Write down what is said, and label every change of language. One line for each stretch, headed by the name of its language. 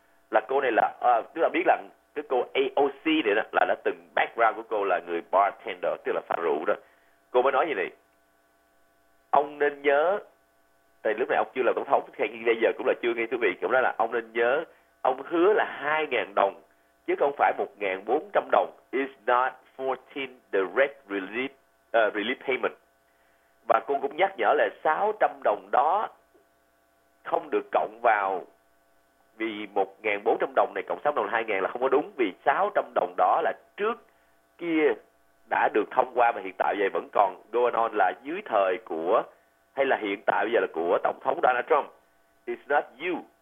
Vietnamese: Là cô này là, tức là biết là cái cô AOC này đó, là đã từng background của cô là người bartender, tức là pha rượu đó. Cô mới nói như này, ông nên nhớ, tại lúc này ông chưa là tổng thống, hay bây giờ cũng là chưa nghe thú vị, cũng nói là ông nên nhớ, ông hứa là 2.000 đồng, chứ không phải 1.400 đồng.
English: It's not 14 direct relief payment.
Vietnamese: Và cô cũng nhắc nhở là 600 đồng đó không được cộng vào, vì 1.400 đồng này cộng 600 đồng 2.000 là không có đúng, vì 600 đồng đó là trước kia đã được thông qua và hiện tại vậy vẫn còn
English: going on
Vietnamese: là dưới thời của, hay là hiện tại bây giờ là của Tổng thống Donald Trump.
English: It's not you.